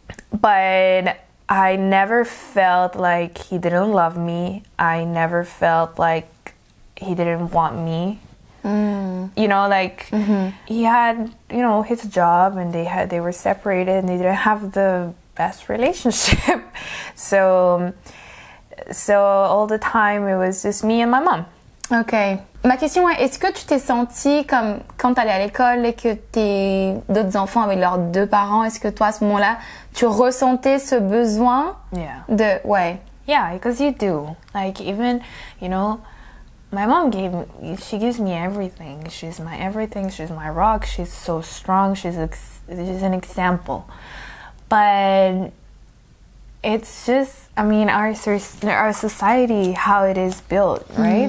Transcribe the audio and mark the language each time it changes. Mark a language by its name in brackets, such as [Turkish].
[English] But I never felt like he didn't love me. I never felt like he didn't want me. You know, like, he had, you know, his job, and they had, they were separated, and they didn't have the best relationship. So all the time it was just me and my mom. Okay. [French] Ma question est, est-ce que tu t'es sentie comme quand t'allais à l'école et que t'es d'autres enfants avec leurs deux parents, est-ce que toi à ce moment-là tu ressentais ce besoin de ouais? [English] Yeah, because you do. Like, even, you know, my mom gave me, she gives me everything. She's my everything. She's my rock. She's so strong. She's an example. But it's just, I mean, our society, how it is built, right?